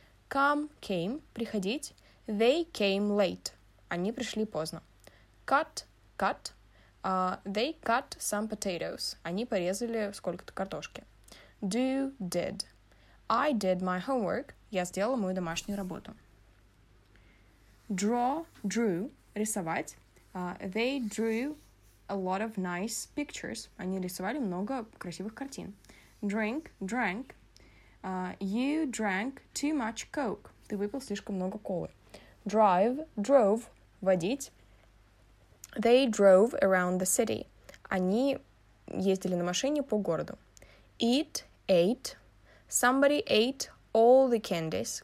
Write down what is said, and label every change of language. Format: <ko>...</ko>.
<en>Come – came.</en> <ru>Приходить.</ru> <en>They came late.</en> <ru>Они пришли поздно.</ru> <en>Cut – cut. They cut some potatoes.</en> <ru>Они порезали сколько-то картошки.</ru> <en>Do – did. I did my homework.</en> <ru>Я сделала мою домашнюю работу.</ru> <en>Draw – drew.</en> <ru>Рисовать.</ru> <en>They drew a lot of nice pictures.</en> <ru>Они рисовали много красивых картин.</ru> <en>Drink – drank. You drank too much coke.</en> <ru>Ты выпил слишком много колы.</ru> <en>Drive – drove.</en> <ru>Водить.</ru> <en>They drove around the city.</en> <ru>Они ездили на машине по городу.</ru> <en>Eat – ate. Somebody ate all the candies.</en>